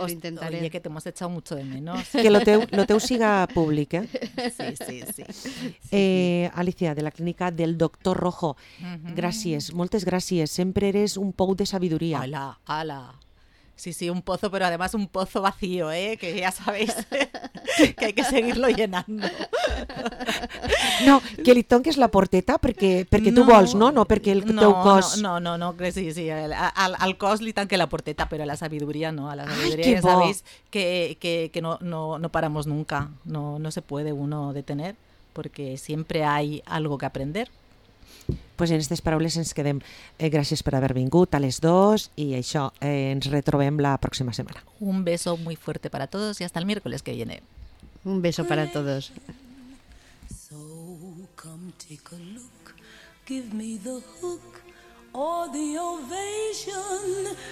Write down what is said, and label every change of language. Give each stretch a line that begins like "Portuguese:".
Spanish: Oye, que te hemos echado mucho de menos.
Catalan: Que lo teu siga públic, eh? Sí. Alicia, de la clínica del doctor Rojo, gràcies, moltes gràcies. Sempre eres un pou de sabiduria. Hala.
Spanish: Sí, un pozo, pero además un pozo vacío, ¿eh? Que ya sabéis que hay que seguirlo llenando.
Catalan: No, que li tonques la porteta perquè tu vols, no? No, perquè el teu cos... No, que sí, al cos li tanque la porteta, però a la sabiduría no.
Spanish: A la sabiduría ya sabéis que no paramos nunca. No se puede uno detener porque siempre hay algo que aprender.
Catalan: Pues en aquestes paraules ens quedem. Gràcies per haver vingut a les dues i això, ens retrobem la pròxima setmana.
Spanish: Un beso muy fuerte para todos y hasta el miércoles que viene. Un beso para todos.
English: So come take a look, give me the hook or the ovation.